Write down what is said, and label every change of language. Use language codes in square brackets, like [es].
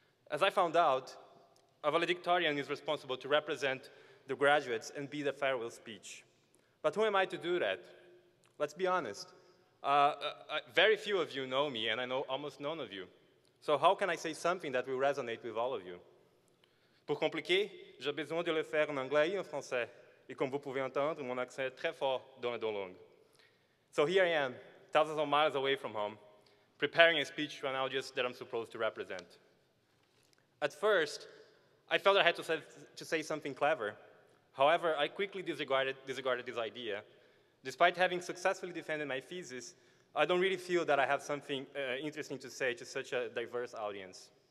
[en] As I found out, a valedictorian is responsible to represent the graduates and be the farewell speech. But who am I to do that? Let's be honest. Very few of you know me, and I know almost none of you. So how can I say something that will resonate with all of you? [fr] Pour compliquer, j'ai besoin de le faire en anglais et en français. Et comme vous pouvez entendre, mon accent est très fort dans le dos long. [en] So here I am, thousands of miles away from home, preparing a speech to an audience that I'm supposed to represent. At first, I felt I had to say something clever. However, I quickly disregarded this idea. Despite having successfully defended my thesis, I don't really feel that I have something interesting to say to such a diverse audience.